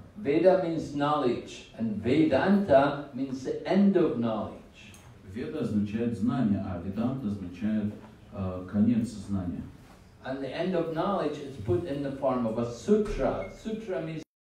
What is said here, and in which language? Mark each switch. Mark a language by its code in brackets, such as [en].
[en] Veda means knowledge, and Vedanta means the end of knowledge. [ru] Веда означает знание, а Веданта означает конец знания. [en] And the end of knowledge is put in the form of a sutra. Sutra means